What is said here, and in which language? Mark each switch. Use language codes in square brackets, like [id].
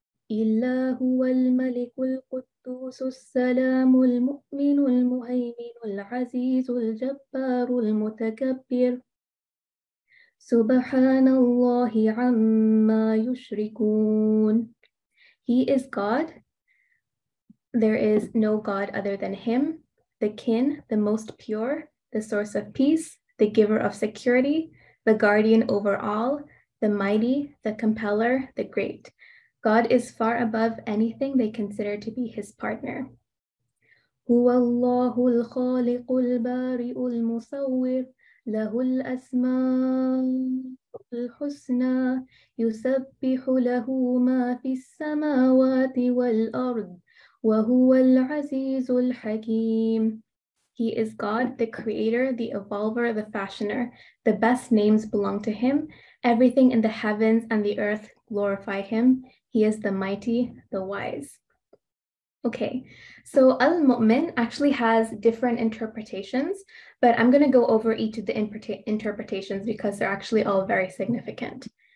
[ar] إلا هو الملك القدوس السلام المؤمن المهيمن العزيز الجبار المتكبر سبحان الله عما يشركون. [en] He is God. There is no God other than Him, the Kin, the Most Pure, the Source of Peace, the Giver of Security, the Guardian over all, the Mighty, the Compeller, the Great. God is far above anything they consider to be his partner. [ar] هو الله الخالق البارئ المصور له الأسماء الحسنى يسبح له ما في السماوات والأرض وهو العزيز الحكيم. [en] He is God, the creator, the evolver, the fashioner. The best names belong to him. Everything in the heavens and the earth glorify him. He is the mighty, the wise. Okay, so al-mu'min actually has different interpretations, but I'm going to go over each of the interpretations because they're actually all very significant.